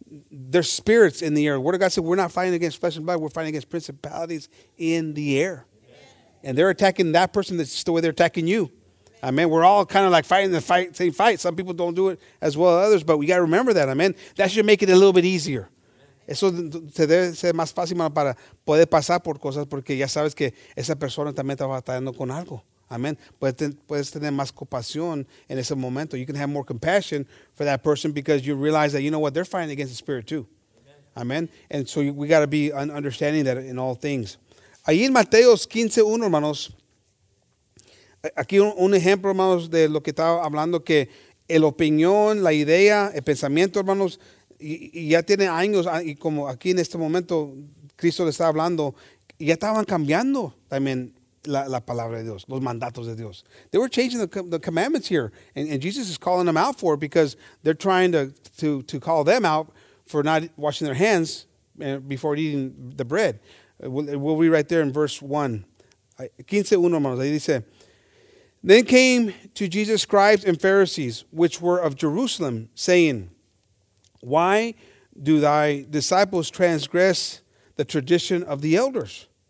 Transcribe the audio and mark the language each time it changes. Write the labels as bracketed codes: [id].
[en] There's spirits in the air. Word of God said, we're not fighting against flesh and blood. We're fighting against principalities in the air. And they're attacking that person that's the way they're attacking you. Amen. We're all kind of like fighting the fight, same fight. Some people don't do it as well as others, but we got to remember that. Amen. That should make it a little bit easier. [es] Eso te debe ser más fácil, mano, para poder pasar por cosas porque ya sabes que esa persona también está batallando con algo. Amen. Puedes tener más compasión en ese momento. [en] You can have more compassion for that person because you realize that, you know what, they're fighting against the spirit too. Amen. And so we got to be understanding that in all things. [es] Ahí en Mateos 15:1, hermanos, aquí un ejemplo, hermanos, de lo que estaba hablando, que el opinión, la idea, el pensamiento, hermanos, y ya tiene años, y como aquí en este momento Cristo le estaba hablando, ya estaban cambiando también la palabra de Dios, los mandatos de Dios. [en] They were changing the commandments here, and Jesus is calling them out for it because they're trying to call them out for not washing their hands before eating the bread. We'll read right there in verse 1. 15:1, [es] hermanos, ahí dice, [en] then came to Jesus scribes and Pharisees, which were of Jerusalem, saying, why do thy disciples transgress the tradition of the elders?